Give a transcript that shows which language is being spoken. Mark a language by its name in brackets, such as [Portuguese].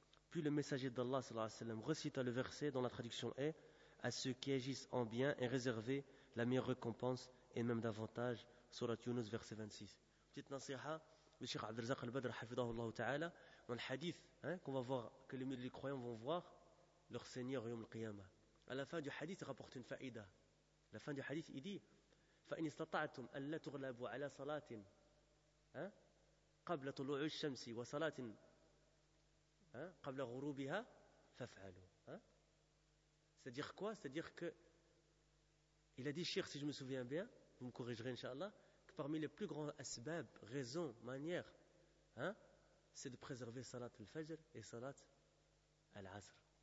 [French] Puis le messager d'Allah, sallallahu alayhi wa sallam, recita le verset dont la traduction est, à ceux qui agissent en bien est réservée la meilleure récompense et même davantage, surat Yunus, verset 26. Petite nasiha. Le Cheikh Abdelzak al-Badr, hafidahu Allah ta'ala, dans le hadith, qu'on va voir, que les croyants vont voir leur Seigneur au Yom al-Qiyamah. À la fin du hadith, il rapporte une fa'ida. La fin du hadith, il dit, [Arabic] فَإِنِ اسْتَطَعْتُمْ أَلَّا تُغْلَبُوا عَلَى صَلَاتٍ قَبْلَ طُلُوعِ الشَّمْسِ وَصَلَاتٍ قَبْلَ غُرُوبِهَا فَفْعَلُوا. [French] C'est-à-dire quoi? C'est-à-dire que il a dit, Cheikh, si je me souviens bien, vous me corrigerez, inshallah, que parmi les plus grands asbab, raisons, manières, c'est de préserver salat al-fajr et salat al-asr.